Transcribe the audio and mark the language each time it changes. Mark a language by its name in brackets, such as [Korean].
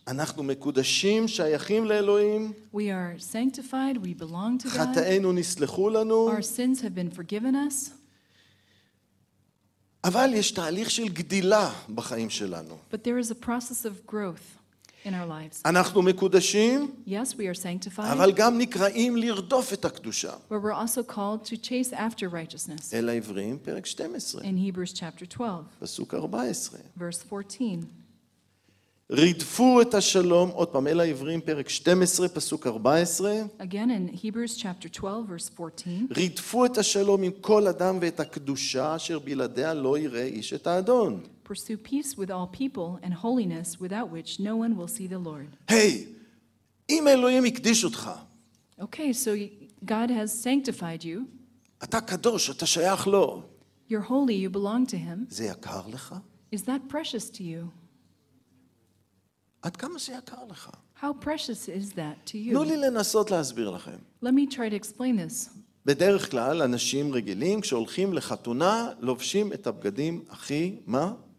[Hebrew] אנחנו מקודשים, שייכים לאלוהים. [English] We are sanctified, we belong to God. [Hebrew] חטאינו נסלחו לנו. [English] Our sins have been forgiven us. [Hebrew] אבל יש תהליך של גדילה בחיים שלנו. [English] But there is a process of growth in our lives. [Hebrew] אנחנו מקודשים. [English] Yes, we are sanctified. [Hebrew] אבל גם נקראים לרדוף את הקדושה. [English] But we're also called to chase after righteousness. [Hebrew] אל העבריים, פרק 12. [English] In Hebrews chapter 12. [Hebrew] פסוק 14. [English] Verse 14. [Hebrew] רדפו את השלום, עוד פעם, אל העברים, פרק 12, פסוק 14. [English] Again, in Hebrews chapter 12, verse 14. [Hebrew] רדפו את השלום עם כל אדם ואת הקדושה אשר בלעדיה לא יראה איש את האדון. [English] Pursue peace with all people and holiness without which no one will see the Lord. [Hebrew] Hey, אם אלוהים הקדיש אותך. [English] Okay, so God has sanctified you. [Hebrew] אתה קדוש, אתה שייך לו. [English] You're holy, you belong to him. [Hebrew] זה יקר לך? [English] Is that precious to you? [Hebrew] עד כמה זה יקר לך? [English] How precious is that to you? [Hebrew] נו לי לנסות להסביר לכם. [English] Let me try to explain this. [Hebrew] בדרך כלל אנשים רגילים כשהולכים לחתונה לובשים את הבגדים הכי מה?